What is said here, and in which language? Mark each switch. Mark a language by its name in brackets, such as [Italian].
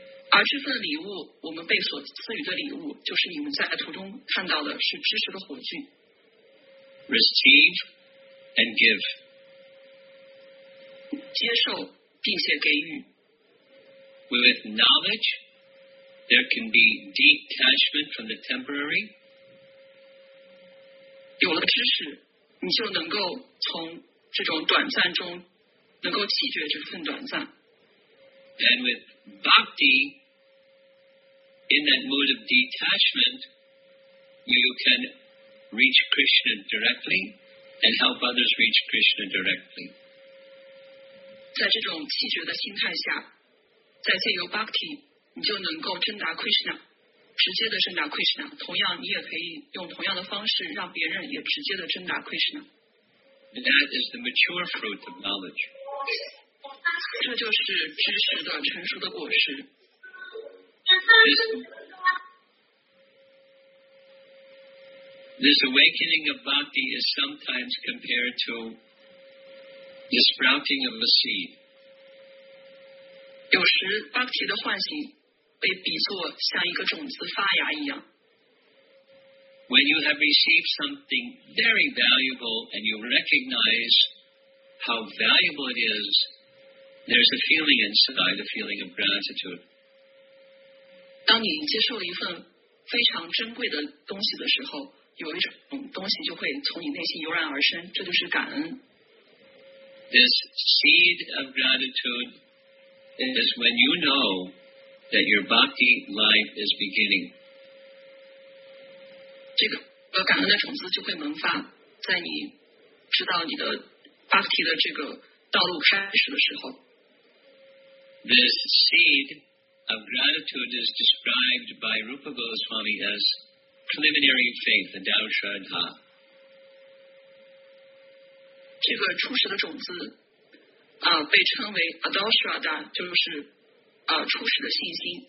[Chinese] 而这份礼物，我们被所赐予的礼物，就是你们在图中看到的，是知识的火炬。 [English] Receive and give. [Chinese] 接受并且给予。 [English] With knowledge, there can be detachment from the temporary. [Chinese] 有了知识，你就能够从这种短暂中能够弃绝这份短暂。 [English] And with bhakti, in that mood of detachment, you can reach Krishna directly and help others reach Krishna directly. [Chinese] 在这种弃绝的心态下，在借由 bhakti, 你就能够真达 Krishna。直接的真达 Krishna， 同样你也可以用同样的方式让别人也直接的真达 Krishna。 [English] That is the mature fruit of knowledge. [Chinese] 这就是知识的成熟的果实。 [English] This awakening of bhakti is sometimes compared to the sprouting of a seed. [Chinese] 有时 bhakti 的唤醒。被比作像一个种子发芽一样。 [English] When you have received something very valuable and you recognize how valuable it is, there's a feeling inside, a feeling of gratitude. [Chinese] 当你接受了一份非常珍贵的东西的时候，有一种东西就会从你内心油然而生，这就是感恩。 [English] This seed of gratitude is when you know. That your bhakti life is beginning. [Chinese] 这个感恩的种子就会萌发，在你知道你的 bhakti 的这个道路开始的时候。 [English] This seed of gratitude is described by Rupa Goswami as preliminary faith, the Dao Shraddha. [Chinese] 这个初始的种子啊，被称为 Dao Shraddha， 就是。初始的信心。